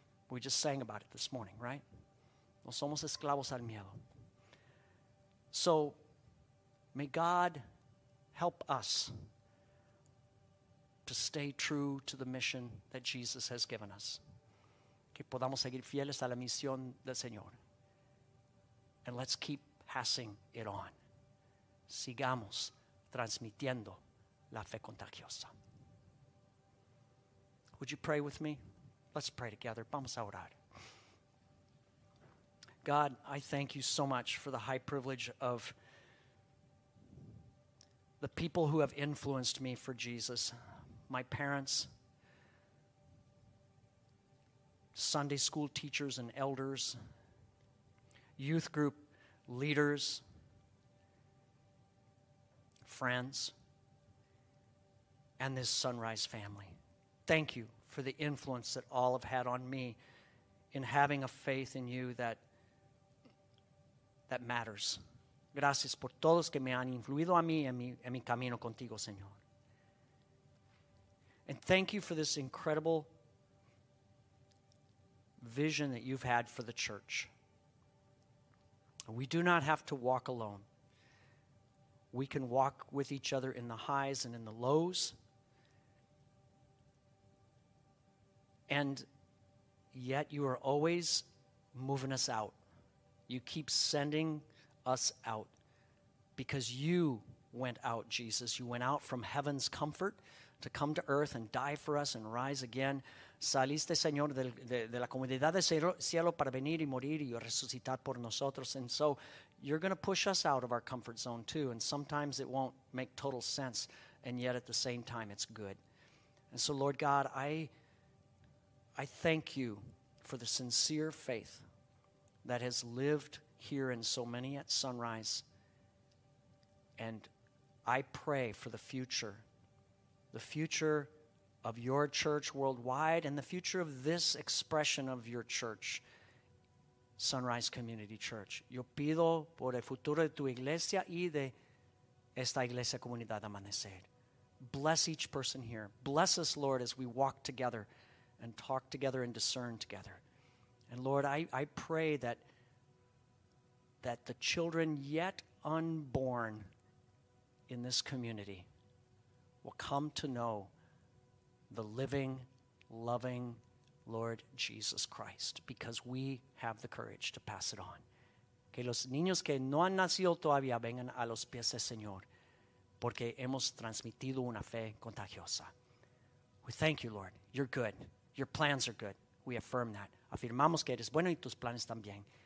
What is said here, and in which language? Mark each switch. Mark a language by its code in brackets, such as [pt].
[en] We just sang about it this morning, right? [es] No somos esclavos al miedo. [en] So may God help us to stay true to the mission that Jesus has given us. [es] Que podamos seguir fieles a la misión del Señor. [en] And let's keep passing it on. [es] Sigamos transmitiendo la fe contagiosa. [en] Would you pray with me? Let's pray together. [es] Vamos a orar. [en] God, I thank you so much for the high privilege of the people who have influenced me for Jesus. My parents, Sunday school teachers and elders, youth group leaders, friends, and this Sunrise family. Thank you for the influence that all have had on me in having a faith in you that matters. [es] Gracias por todos que me han influido a mí en mi camino contigo, Señor. [en] And thank you for this incredible vision that you've had for the church. We do not have to walk alone. We can walk with each other in the highs and in the lows. And yet you are always moving us out. You keep sending us out because you went out, Jesus. You went out from heaven's comfort to come to earth and die for us and rise again. [es] Saliste, Señor, de la comodidad del cielo para venir y morir y resucitar por nosotros. [en] And so you're going to push us out of our comfort zone too. And sometimes it won't make total sense. And yet at the same time, it's good. And so, Lord God, I thank you for the sincere faith that has lived here in so many at Sunrise. And I pray for the future of your church worldwide and the future of this expression of your church, Sunrise Community Church. [es] Yo pido por el futuro de tu iglesia y de esta iglesia comunidad amanecer. [en] Bless each person here. Bless us, Lord, as we walk together and talk together and discern together. And Lord, I pray that the children yet unborn in this community will come to know the living, loving Lord Jesus Christ, because we have the courage to pass it on. [es] que los niños que no han nacido todavía vengan a los pies del Señor, porque hemos transmitido una fe contagiosa. [en] We thank you, Lord. You're good. Your plans are good. We affirm that. [es] Afirmamos que eres bueno y tus planes también.